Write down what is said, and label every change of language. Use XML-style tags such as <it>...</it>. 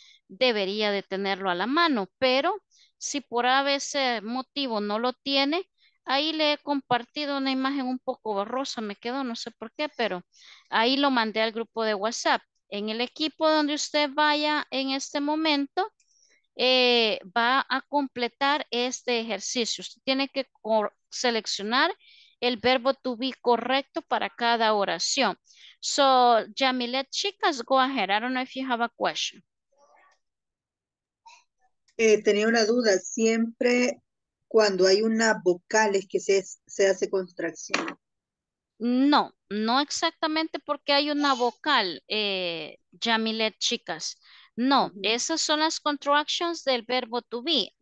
<es>Debería de tenerlo a la mano, pero si por ABC motivo no lo tiene, ahí le he compartido una imagen un poco borrosa, me quedó, no sé por qué, pero ahí lo mandé al grupo de WhatsApp. En el equipo donde usted vaya en este momento, va a completar este ejercicio. Usted tiene que seleccionar el verbo to be correcto para cada oración.</es> <en>So, Jamilet, chicas, go ahead. I don't know if you have a question.</en> <es>Tenía una duda. Siempre cuando hay una vocal es que se hace contracción. No, no exactamente porque hay una vocal, Jamilet, chicas. No, esas son las contractions del verbo to be.</es>